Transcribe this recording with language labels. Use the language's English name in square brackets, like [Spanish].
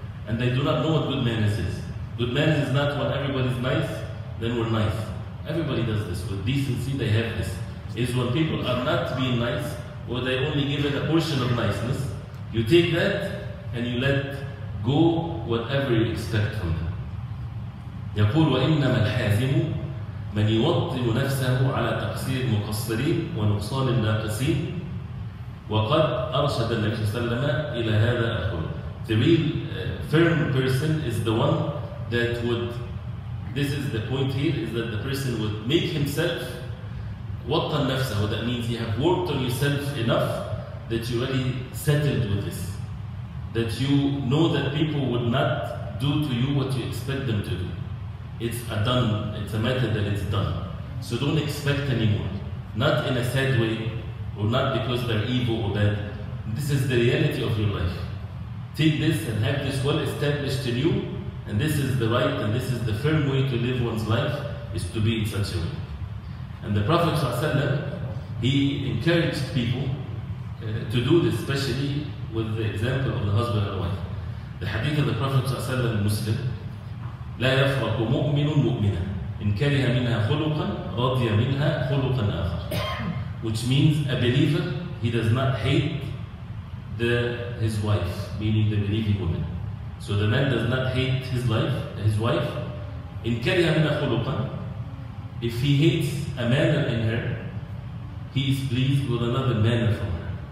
[English] And they do not know what good manners is. Good manners is not when everybody's nice, then we're nice. Everybody does this. With decency, they have this. It's when people are not being nice, or they only give it a portion of niceness. You take that and you let go whatever you expect from them. [Arabic] يقول وإنما الحازم من يوطن نفسه على تقصير المقصرين ونقصان الناقصين. وقد أرشد النبي صلى الله عليه وسلم إلى هذا الخلق. [English] The real firm person is the one that would, this is the point here, is that the person would make himself [Arabic] وطن نفسه. [English] That means you have worked on yourself enough that you already settled with this. That you know that people would not do to you what you expect them to do. It's a matter that it's done. So don't expect anymore. Not in a sad way, or not because they're evil or bad. This is the reality of your life. Take this and have this well established in you, and this is the right and this is the firm way to live one's life, is to be in such a way. And the Prophet ﷺ, he encouraged people to do this, especially with the example of the husband and wife. [Arabic] الحديث ان البروفيت صلى الله عليه وسلم مسلم لا يفرق مؤمن مؤمنا ان كره منها خلقا رضي منها خلقا اخر. [English] Which means a believer, he does not hate his wife, meaning the believing woman. So the man does not hate his wife, in [Arabic] كره منها خلقا. [English] If he hates a manner in her, he is pleased with another manner from her.